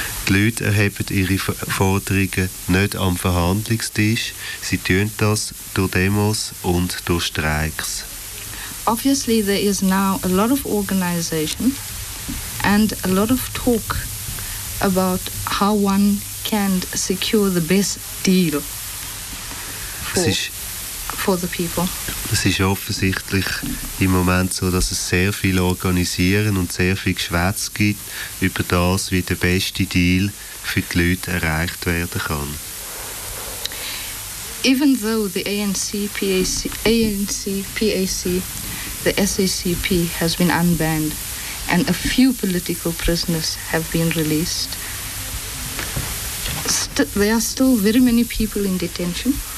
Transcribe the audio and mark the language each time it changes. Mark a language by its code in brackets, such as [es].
[de] Die Leute erheben ihre Forderungen nicht am Verhandlungstisch. Sie tun das durch Demos und durch Streiks. [en] Obviously, there is now a lot of organization and a lot of talk about how one can secure the best deal for the people. [de] Es ist offensichtlich im Moment so, dass es sehr viel Organisieren und sehr viel Geschwätz gibt über das, wie der beste Deal für die Leute erreicht werden kann. [en] Even though the ANC, PAC, the SACP has been unbanned and a few political prisoners have been released, there are still very many people in detention.